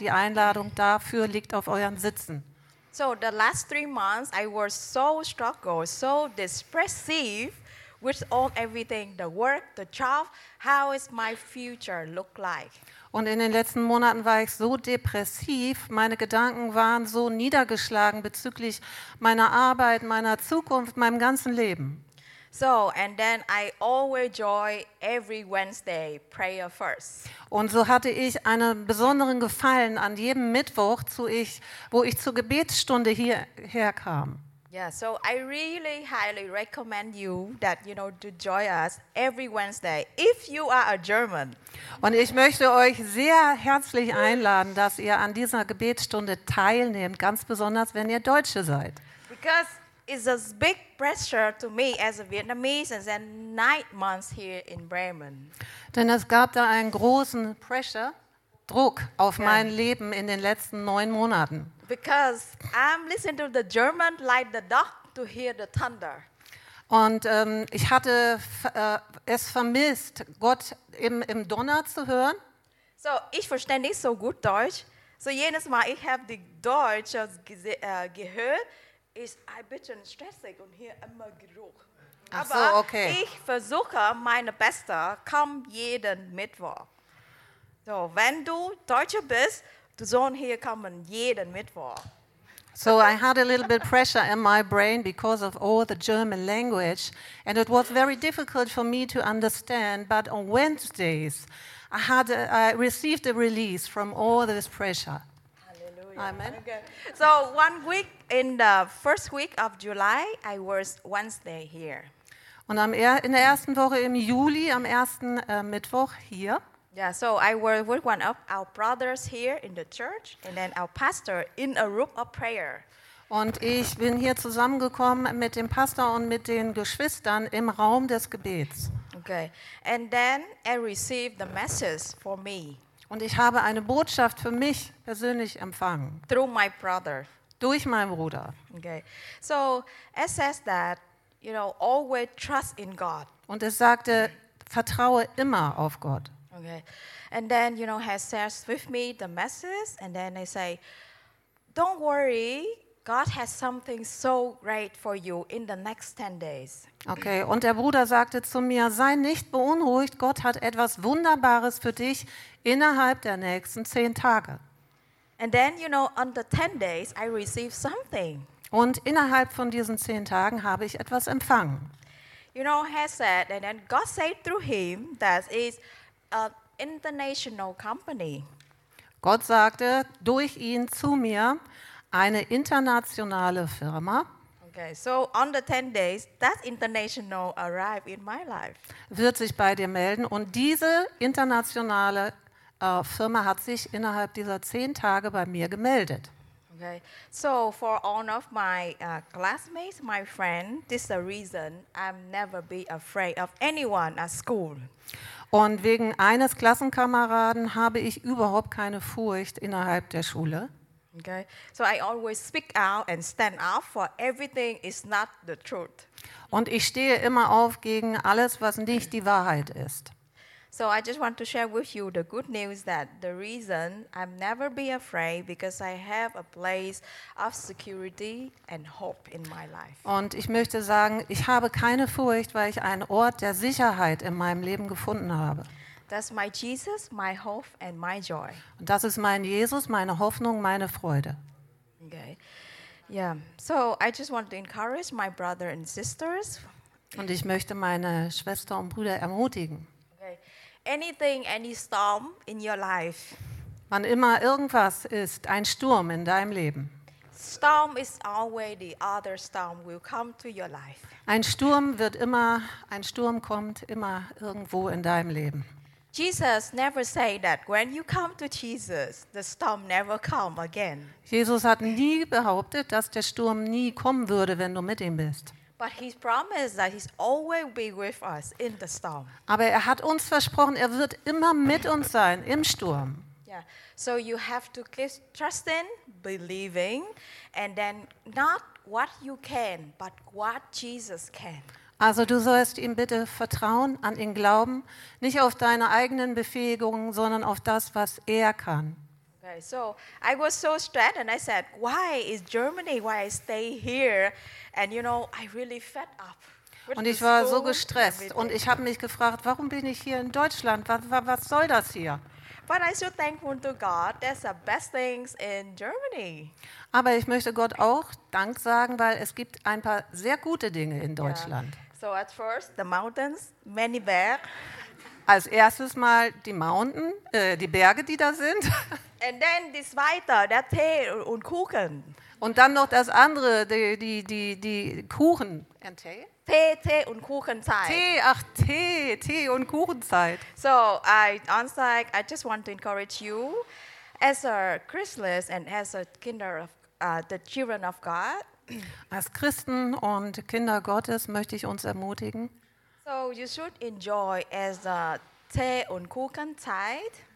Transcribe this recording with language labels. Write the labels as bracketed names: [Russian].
[German] Die Einladung dafür liegt auf euren Sitzen. [English] So the last 3 months, I was so struggled, so depressive with all everything, the work, the job, how is my future look like? [German] Und in den letzten Monaten war ich so depressiv, meine Gedanken waren so niedergeschlagen bezüglich meiner Arbeit, meiner Zukunft, meinem ganzen Leben. [English] So, and then I always enjoy every Wednesday prayer first. [German] Und so hatte ich einen besonderen Gefallen an jedem Mittwoch, wo ich zur Gebetsstunde hierher kam. [English] Yeah, so I really highly recommend you that you know to join us every Wednesday if you are a German. [German] Und ich möchte euch sehr herzlich einladen, dass ihr an dieser Gebetsstunde teilnehmt, ganz besonders wenn ihr Deutsche seid. [English] Because it's a big pressure to me as a Vietnamese and then 9 months here in Bremen. [German] Denn es gab da einen großen Pressure, Druck auf mein Leben in den letzten 9 Monaten. [English] Because I'm listening to the German like the dog to hear the thunder. [German] Und ich hatte es vermisst, Gott im Donner zu hören. So, ich verstehe nicht so gut Deutsch. So jedes Mal, ich habe die Deutsche gehört, ist ein bisschen stressig und hier immer Geruch. Aber so, okay. Ich versuche meine Beste, komm jeden Mittwoch. So, wenn du Deutsche bist, du sollst hier kommen jeden Mittwoch. [English] So I had a little bit of pressure in my brain because of all the German language and it was very difficult for me to understand, but on Wednesdays I received a release from all this pressure. Hallelujah. Amen. Okay. So 1 week in the first week of July I was Wednesday here. [German] Und in der ersten Woche im Juli am ersten Mittwoch hier. [English] Yeah, so I was with one of our brothers here in the church and then our pastor in a room of prayer. [German] Und ich bin hier zusammengekommen mit dem Pastor und mit den Geschwistern im Raum des Gebets. [English] Okay. And then I received the message for me. [German] Und ich habe eine Botschaft für mich persönlich empfangen. [English] Through my brother. [German] Durch meinen Bruder. [English] Okay. So it says that, you know, always trust in God. [German] Und es sagte, vertraue immer auf Gott. [English] Okay, and then you know, he shares with me the message, and then they say, "Don't worry, God has something so great for you in the next 10 days." [German] Okay, und der Bruder sagte zu mir: "Sei nicht beunruhigt. Gott hat etwas Wunderbares für dich innerhalb der nächsten 10 Tage." [English] And then you know, on the 10 days, I received something. [German] Und innerhalb von diesen 10 Tagen habe ich etwas empfangen. [English] You know, he said, and then God said through him that is. An international company. [German] Gott sagte durch ihn zu mir eine internationale Firma. [English] Okay, so on the 10 days that international arrived in my life. [German] Wird sich bei dir melden und diese internationale Firma hat sich innerhalb dieser 10 Tage bei mir gemeldet. [English] Okay. So for all of my classmates, my friend, this is the reason I'm never be afraid of anyone at school. [German] Und wegen eines Klassenkameraden habe ich überhaupt keine Furcht innerhalb der Schule. [English] Okay. So I always speak out and stand up for everything is not the truth. [German] Und ich stehe immer auf gegen alles, was nicht die Wahrheit ist. [English] So I just want to share with you the good news that the reason I'm never be afraid because I have a place of security and hope in my life. [German] Und ich möchte sagen, ich habe keine Furcht, weil ich einen Ort der Sicherheit in meinem Leben gefunden habe. [English] That's my Jesus, my hope and my joy. [German] Und das ist mein Jesus, meine Hoffnung, meine Freude. [English] Okay. Yeah. So I just want to encourage my brother and sisters. [German] Und ich möchte meine Schwester und Brüder ermutigen. [English] anything, any storm in your life. [German] Wann immer irgendwas ist, ein Sturm in deinem Leben. [English] Storm is always the other storm will come to your life. [German] Ein Sturm kommt immer irgendwo in deinem Leben. [English] Jesus never said that when you come to Jesus, the storm never come again. [German] Jesus hat nie behauptet, dass der Sturm nie kommen würde, wenn du mit ihm bist. [English] But he promised that he's always be with us in the storm. [German] Aber er hat uns versprochen, er wird immer mit uns sein im Sturm. [English] Yeah. So you have to keep trusting, believing, and then not what you can, but what Jesus can. [German] Also du sollst ihm bitte vertrauen, an ihn glauben, nicht auf deine eigenen Befähigungen, sondern auf das, was er kann. [English] Okay, so I was so stressed and I said, why is Germany, why I stay here? And you know, I really fed up. [German] Und ich war so gestresst und ich habe mich gefragt, warum bin ich hier in Deutschland? Was soll das hier? [English] But I'm so thankful to God. There's the best things in Germany. [German] Aber ich möchte Gott auch Dank sagen, weil es gibt ein paar sehr gute Dinge in Deutschland. [English] Yeah. So at first the mountains, many bear. [German] Als erstes mal die Mountain, die Berge, die da sind. [English] And then this [German] weiter, der Tee und Kuchen. Und dann noch das andere, die Kuchen. And Tee? Tee und Kuchenzeit. Tee und Kuchenzeit. [English] So, I just want to encourage you, as a Christless and as a Kinder of the children of God. [German] Als Christen und Kinder Gottes möchte ich uns ermutigen. [English] So, you should enjoy as a [German] Tee und Kuchenzeit.